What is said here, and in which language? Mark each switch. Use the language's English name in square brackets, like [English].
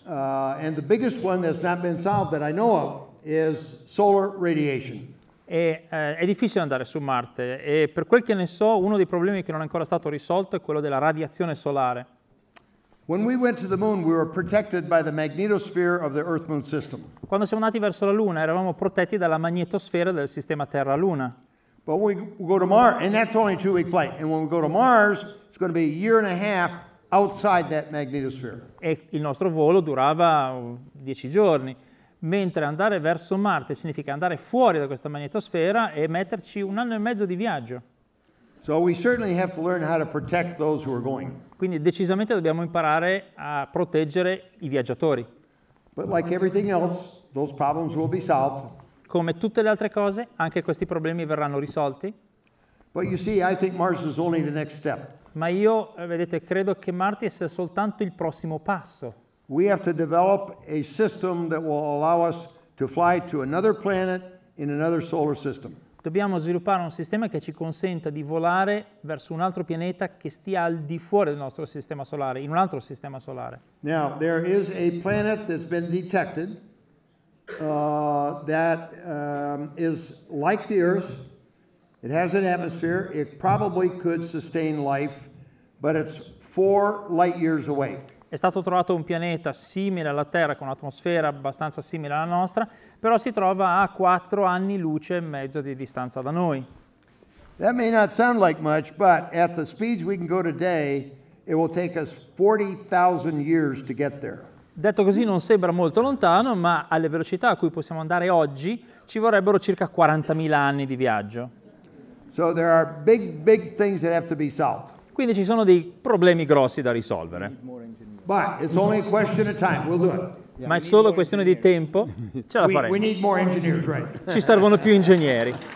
[English] And the biggest one that's not been solved that I know of is solar radiation. [Italian] È difficile andare su Marte. E per quel che ne so, uno dei problemi che non è ancora stato risolto è quello della radiazione solare. [English] When we went to the moon, we were protected by the magnetosphere of the Earth-Moon system. [Italian] Quando siamo andati verso la Luna, eravamo protetti dalla magnetosfera del sistema Terra-Luna. [English] But when we go to Mars, and that's only a 2-week flight. And when we go to Mars, it's going to be a year and a half outside that magnetosphere. [Italian] E il nostro volo durava 10 giorni, mentre andare verso Marte significa andare fuori da questa magnetosfera e metterci un anno e mezzo di viaggio. [English] So we certainly have to learn how to protect those who are going. [Italian] Quindi decisamente dobbiamo imparare a proteggere i viaggiatori. [English] But like everything else, those problems will be solved. [Italian] Come tutte le altre cose, anche questi problemi verranno risolti. [English] But you see, I think Mars is only the next step. [Italian] Ma io, vedete, credo che Marte sia soltanto il prossimo passo. [English] We have to develop a system that will allow us to fly to another planet in another solar system. [Italian] Dobbiamo sviluppare un sistema che ci consenta di volare verso un altro pianeta che stia al di fuori del nostro sistema solare, in un altro sistema solare. [English] Now, there is a planet that's been detected that is like the Earth. It has an atmosphere. It probably could sustain life, but it's 4 light years away. [Italian] È stato trovato un pianeta simile alla Terra, con un'atmosfera abbastanza simile alla nostra, però si trova a 4 anni luce e mezzo di distanza da noi. [English] That may not sound like much, but at the speeds we can go today, it will take us 40,000 years to get there. [Italian] Detto così non sembra molto lontano, ma alle velocità a cui possiamo andare oggi ci vorrebbero circa 40.000 anni di viaggio. [English] So there are big, big things that have to be solved. [Italian] Quindi ci sono dei problemi grossi da risolvere. [English] But it's only a question of time. We'll do it. [Italian] Ma è solo questione di tempo. Ce la faremo. [English] We need more engineers, right? [Italian] Ci servono più ingegneri.